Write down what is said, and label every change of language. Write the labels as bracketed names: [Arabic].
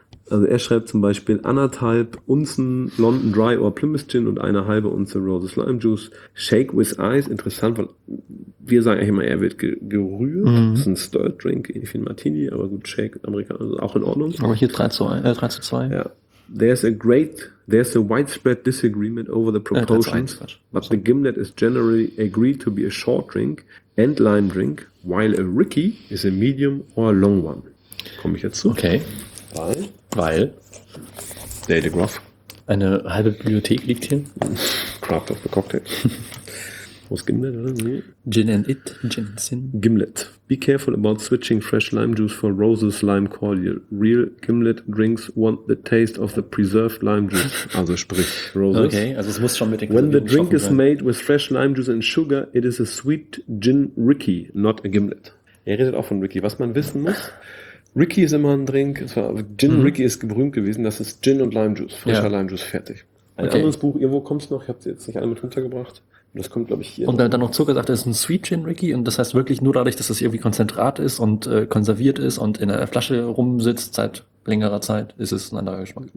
[German] Also er schreibt zum Beispiel, anderthalb Unzen London Dry or Plymouth Gin und eine halbe Unze Roses Lime Juice. [English] Shake with Ice, [German] interessant, weil wir sagen eigentlich immer, er wird gerührt. Mhm. Das ist ein Stirred Drink, ähnlich wie ein Martini, aber gut, Shake, Amerikaner, also auch in Ordnung. Aber hier 3-2. Ja. [English] There's a widespread disagreement over the proportions, but the Gimlet is generally agreed to be a short drink and lime drink, while a Ricky is a medium or a long one. [German] Komme ich jetzt zu. Okay. Weil Dale Groff. Eine halbe Bibliothek liegt hier. Craft of the Cocktail. Wo ist Gimlet? [English] Gin and it. Gin sin. Gimlet. Be careful about switching fresh lime juice for Roses Lime Cordial. Real Gimlet drinks want the taste of the preserved lime juice. [German] Also sprich Roses. Okay, also es muss schon mit den [English] When the drink is made with fresh lime juice and sugar, it is a sweet gin Ricky, not a Gimlet. [German] Er redet auch von Ricky. Was man wissen muss, Ricky ist immer ein Drink, Gin Ricky ist berühmt gewesen, das ist Gin und Lime Juice, frischer Lime Juice, fertig. Ein anderes Buch, irgendwo kommt es noch, ich habe es jetzt nicht alle mit runtergebracht, das kommt glaube ich hier. Und noch. Dann noch Zucker sagt, das ist ein Sweet Gin Ricky und das heißt wirklich nur dadurch, dass es das irgendwie Konzentrat ist und konserviert ist und in einer Flasche rumsitzt seit längerer Zeit, ist es ein anderer Geschmack.